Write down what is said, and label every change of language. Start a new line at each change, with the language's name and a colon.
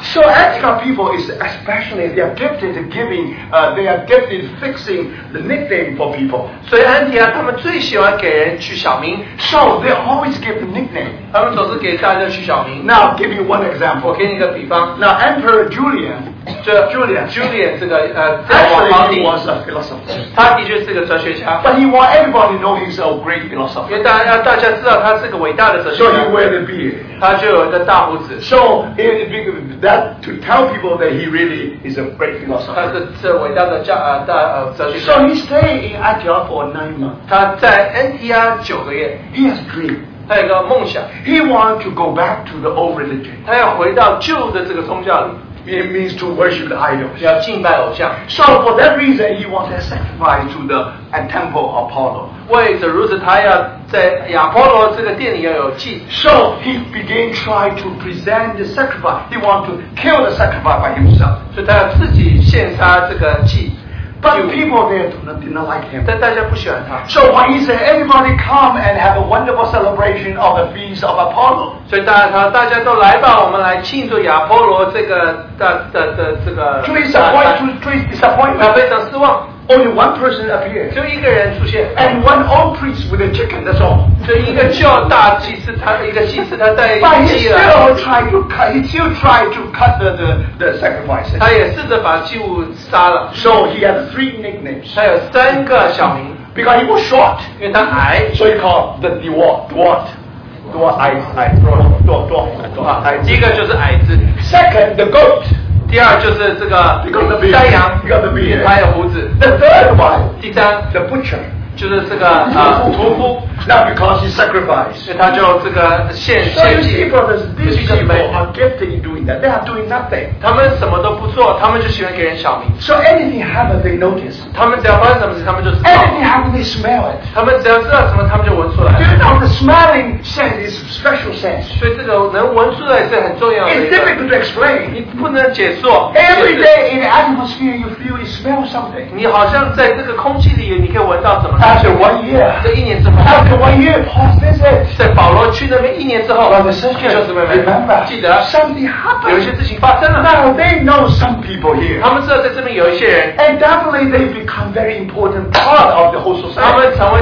English: So Antioch people is especially they are gifted to giving, they are gifted fixing the nickname for people.
Chinese: 所以安提阿他们最喜欢给人取小名。
English: So they always give the nickname.
Chinese: 他们总是给大家取小名。
English: Now give me one example.
Chinese: 我给你一个比方。
English: Now Emperor Julian. Julian
Chinese: 这个
English: Actually, he was a philosopher.
Chinese: 他的确是个哲学家。
English: But he want everybody to know he's a great philosopher.
Chinese: 因为大家知道他是个伟大的哲学家。
English: So he wear the beard.
Chinese: 他就有一个大胡子。
English: So that to tell people that he really is a great philosopher.
Chinese: 他是伟大的哲学家。
English: So he stayed in Antioch for 9 months.
Chinese: 他在安提阿九个月。
English: He has dream.
Chinese: 他有一个梦想。
English: He want to go back to the old religion.
Chinese: 他要回到旧的这个宗教里。
English: It means to worship the idols.
Chinese: 要敬拜偶像。
English: So for that reason, he wants to sacrifice to the temple of Apollo.
Chinese: 为此如此，他要在亚波罗这个殿里要有祭。
English: So he began trying to present the sacrifice. He wants to kill the sacrifice by himself.
Chinese: 所以他要自己献杀这个祭。
English: But people there did not like him.
Chinese: 但大家不喜欢他。
English: So when he said, "Everybody come and have a wonderful celebration of the feast of Apollo."
Chinese: 所以大家都来吧，我们来庆祝亚波罗这个。
English: To his disappointment,
Chinese: 他非常失望。
English: Only one person appeared.
Chinese: 只有一个人出现,
English: and one old priest with a chicken, that's all.
Chinese: 只有一个教大祭司,他带一个鸡了,
English: he still tried to cut the sacrifice.
Chinese: 他也试着把祭物杀了,
English: so he had three nicknames.
Chinese: 他有三个小名,
English: because he was short.
Chinese: 因为他矮,
English: so he called the dwarf.
Chinese: Dwarf, 矮子.
English: Second, the goat.
Chinese: 第二就是这个山羊，他有胡子。
English: The third one,
Chinese: 第三,
English: the butcher,
Chinese: 就是这个屠夫。
English: Now because he sacrificed,
Chinese: 他就这个献祭。
English: Brothers, these people are gifted in doing that. They are doing nothing.
Chinese: 他们什么都不做，他们就喜欢给人小名。
English: So anything happens, they notice.
Chinese: 他们只要发生什么事，他们就知道。
English: Anything happens, they smell it.
Chinese: 他们只要知道什么，他们就闻出来。
English: You know, the smelling scent is special scent.
Chinese: 所以这个能闻出来是很重要的。
English: It's difficult to explain.
Chinese: 你不能解释。
English: Every day in the atmosphere, you feel you smell something.
Chinese: 你好像在这个空气里，你可以闻到什么。
English: After 1 year,
Chinese: 这一年之后。
English: After 1 year, Paul visit.
Chinese: 在保罗去那边一年之后,
English: brother, sister, remember,
Chinese: 记得,
English: something happened.
Chinese: 有些事情发生了,
English: now they know some people here.
Chinese: 他们知道在这边有一些人,
English: and definitely they become very important part of the whole society.